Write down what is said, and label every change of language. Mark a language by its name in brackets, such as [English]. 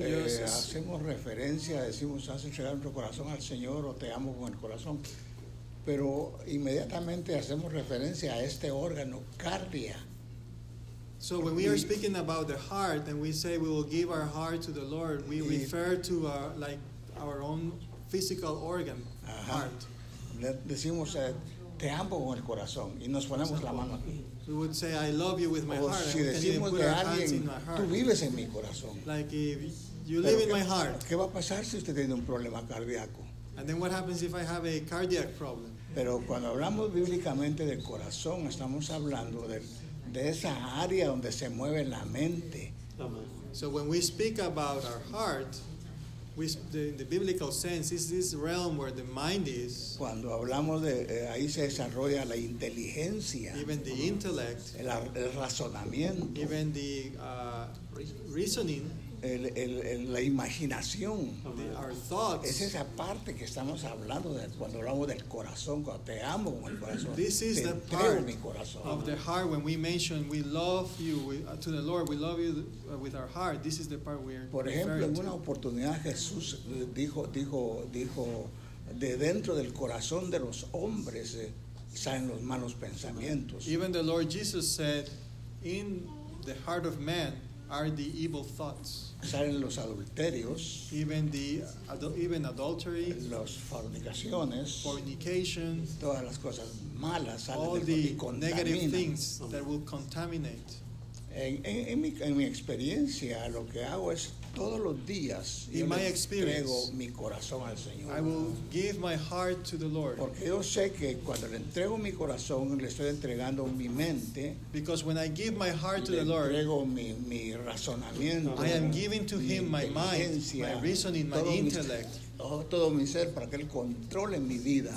[Spanish] hacemos referencia, decimos, haz entregar nuestro corazón al Señor o te amo con el corazón, pero inmediatamente hacemos referencia a este órgano, cardia. [English] So when we are speaking about the heart and we say we will give our heart to the Lord, we refer to like our own physical organ, heart. [Spanish] Decimos te amo con el corazón y nos ponemos la mano aquí. [English] We would say I love you with my heart. [Spanish] Si decimos de alguien, tú vives en mi corazón. [English] Like if you live in my heart. [Spanish] ¿Qué va a pasar si usted tiene un problema cardíaco? [English] And then what happens if I have a cardiac problem? [Spanish] Pero cuando hablamos bíblicamente del corazón, estamos hablando de esa área donde se mueve la mente. [English] So when we speak about our heart, in the biblical sense, is this realm where the mind is. [Spanish] Cuando hablamos de ahí se desarrolla la inteligencia. [English] Even the intellect. [Spanish] El razonamiento. [English] Even the reasoning. [Spanish] La imaginación. [English] Our thoughts. [Spanish] Es esa parte que estamos hablando de cuando hablamos del corazón, cuando te amo con el corazón. [English] This is the part of the heart when we mention we love you to the Lord, we love you with our heart. This is the part we are. [Spanish] Por ejemplo, en una oportunidad Jesús dijo de dentro del corazón de los hombres salen los malos pensamientos. [English] Even the Lord Jesus said, in the heart of man are the evil thoughts. [Spanish] Salen los adulterios. [English] Even adultery. [Spanish] Las fornicaciones. [English] Fornication. [Spanish] Todas las cosas malas salen [English] all the negative things that will contaminate. [Spanish] En mi experiencia, lo que hago es todos los días [English] in my experience, [Spanish] entrego mi corazón al Señor. [English] I will give my heart to the Lord. [Spanish] Porque yo sé que cuando le entrego mi corazón, le estoy entregando mi mente. [English] Because when I give my heart to the Lord, [Spanish] le entrego mi razonamiento. [English] I am giving to him my mind, my reasoning, my intellect. [Spanish] Todo mi ser para que él controle mi vida.